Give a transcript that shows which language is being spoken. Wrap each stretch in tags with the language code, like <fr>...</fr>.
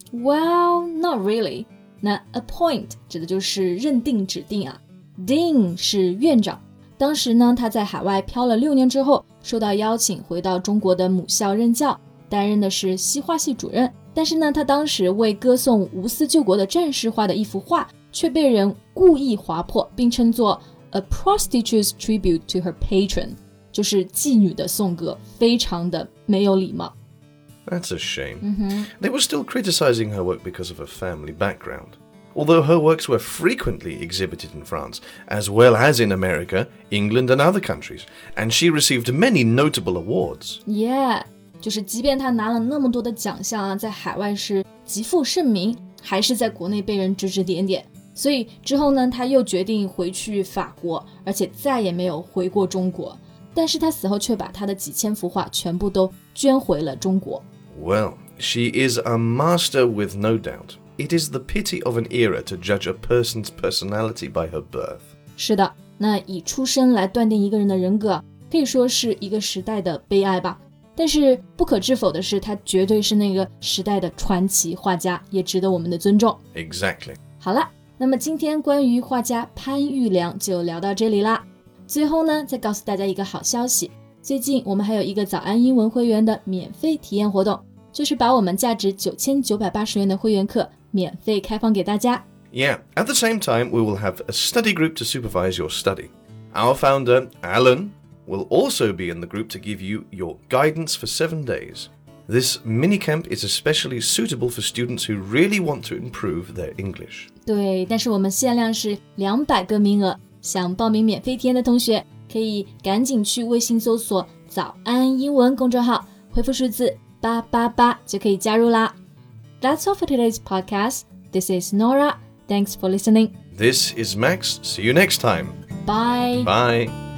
<en>Well, not really.</en> <zh>那 appoint 指的就是认定指定啊， Dean 是院长。当时呢，他在海外漂了六年之后，受到邀请回到中国的母校任教，担任的是西画系主任。但是呢，他当时为歌颂无私救国的战士画的一幅画，却被人故意划破，并称作</zh> <en>A prostitute's tribute to her patron，</en> <zh>就是妓女的颂歌，非常的没有礼貌。</zh> <en>That's a shame.、Mm-hmm. They were still criticizing her work because of her family background. Although her works were frequently exhibited in France, as well as in America, England and other countries, and she received many notable awards.</en> <zh>Yeah, 就是即便她拿了那么多的奖项啊，在海外是极负盛名，还是在国内被人指指点点。所以之后呢，她又决定回去法国，而且再也没有回过中国。但是她死后却把她的几千幅画全部都捐回了中国。</zh> <en>Well, she is a master with no doubt. It is the pity of an era to judge a person's personality by her birth.</en> <zh>是的，那以出身来断定一个人的人格，可以说是一个时代的悲哀吧。但是不可置否的是，他绝对是那个时代的传奇画家，也值得我们的尊重。</zh> <en>Exactly.</en> <zh>好了，那么今天关于画家潘玉良就聊到这里啦。最后呢，再告诉大家一个好消息，最近我们还有一个早安英文会员的免费体验活动，就是把我们价值9980元的会员课免费开放给大家。</zh> <en>Yeah, at the same time, we will have a study group to supervise your study. Our founder, Alan, will also be in the group to give you your guidance for 7 days. This mini camp is especially suitable for students who really want to improve their English.</en> <zh>对，但是我们限量是200个名额，想报名免费体验的同学可以赶紧去微信搜索早安英文公众号，回复数字888就可以加入啦。</zh> <en>That's all for today's podcast. This is Nora. Thanks for listening. This is Max. See you next time. Bye. Bye.</en>